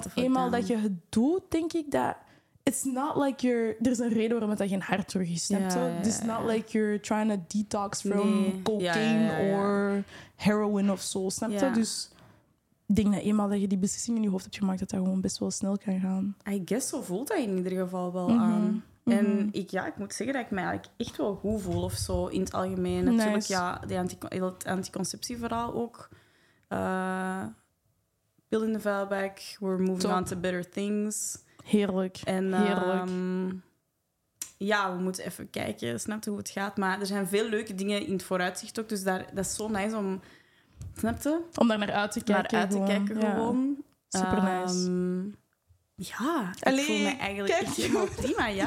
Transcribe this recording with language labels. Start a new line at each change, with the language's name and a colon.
Dutch: Want eenmaal dat je het doet, denk ik dat,
English: it's not like you're,
Dutch: er is een reden waarom het dat geen hart terug is. Ja, ja, ja.
English: It's not like you're trying to detox from cocaine or heroin
Dutch: of zo. Snap je? Dus ik denk dat eenmaal dat je die beslissing in je hoofd hebt gemaakt, dat dat gewoon best wel snel kan gaan.
English: I guess
Dutch: zo voelt dat in ieder geval wel aan. Mm-hmm. Mm-hmm. En ik moet zeggen dat ik me eigenlijk echt wel goed voel of zo in het algemeen. Nice. Natuurlijk, ja, het anticonceptie vooral ook.
English: Pill in the
Dutch: vuilbak,
English: we're moving on to better things.
Dutch: Heerlijk, en, heerlijk. Ja, we moeten even kijken, snapte hoe het gaat. Maar er zijn veel leuke dingen in het vooruitzicht ook. Dus dat is zo nice om, snapte? Om daar naar uit te kijken. Naar uit te kijken gewoon. Ja. Super nice. Ja, allee, ik voel me eigenlijk echt helemaal prima, ja.